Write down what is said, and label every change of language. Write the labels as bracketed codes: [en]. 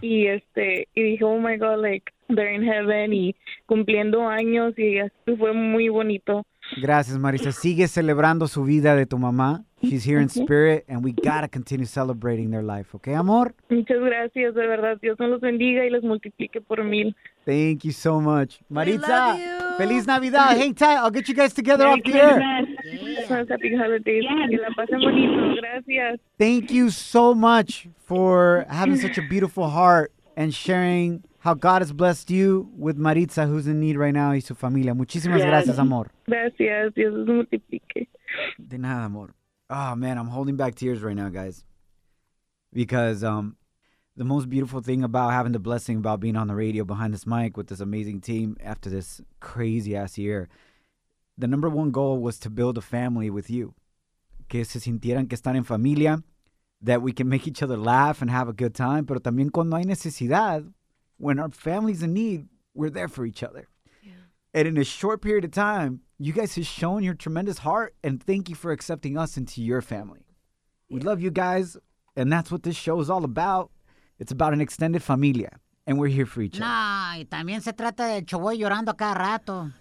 [es] Y y dije, [en] oh, my God, like, they're in heaven [es] y cumpliendo años, y así fue muy bonito. Gracias, Maritza. Sigue celebrando su vida de tu mamá. [en] She's here in spirit, and we got to continue celebrating their life. [es] Okay, amor? Muchas gracias, de verdad. Dios nos los bendiga y los multiplique por mil. [en] Thank you so much. Maritza, we love you. [es] Feliz Navidad. [en] Hang tight. I'll get you guys together off the air. Happy holidays. [es] Que la pasen bonito. Gracias. [en] Thank you so much for having such a beautiful heart and sharing how God has blessed you with Maritza, who's in need right now, [es] y su familia. Muchísimas gracias, amor. Gracias. Dios los multiplique. De nada, amor. [en] Oh, man, I'm holding back tears right now, guys, because the most beautiful thing about having the blessing about being on the radio behind this mic with this amazing team after this crazy-ass year, the number one goal was to build a family with you. [es] Que se sintieran que están en familia, [en] that we can make each other laugh and have a good time, [es] pero también cuando hay necesidad, [en] when our family's in need, we're there for each other. Yeah. And in a short period of time, you guys have shown your tremendous heart, and thank you for accepting us into your family. We love you guys, and that's what this show is all about. It's about an extended familia, and we're here for each other. [es] Nah, y también se trata de Shoboy llorando cada rato.